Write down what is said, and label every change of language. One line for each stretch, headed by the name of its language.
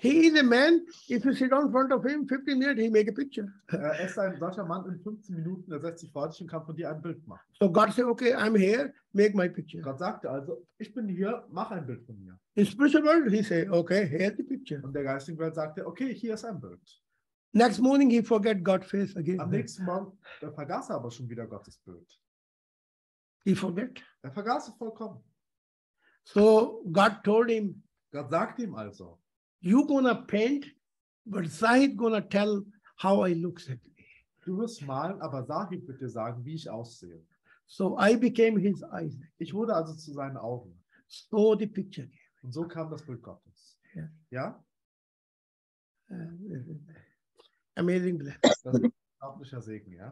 English: He is a man, if you sit down in front of him, 15 minutes, he make a picture.
German: Er ist ein solcher Mann, in 15 Minuten, er setzt sich vor sich und kann von dir ein Bild machen.
English: So God said, okay, I'm here, make my picture.
German: Gott sagte also, ich bin hier, mach ein Bild von mir.
English: In spiritual world, he said, okay, here's the picture.
German: Und der geistigen Welt sagte, okay, hier ist ein Bild.
English: Next morning, he forget God's face again.
German: Am nächsten Morgen, vergaß er aber schon wieder Gottes Bild.
English: He forget.
German: Er vergaß es vollkommen.
English: So God told him.
German: Gott sagt ihm also.
English: You gonna paint, but Zahid gonna tell how I look exactly.
German: Du wirst malen, aber Zahid wird dir sagen, wie ich aussehe.
English: So I became his eyes.
German: Ich wurde also zu seinen Augen.
English: So the picture came.
German: Und so kam das Bild Gottes.
English: Yeah.
German: Ja?
English: Amazing
German: blessing. Das ist ein unglaublicher Segen, ja?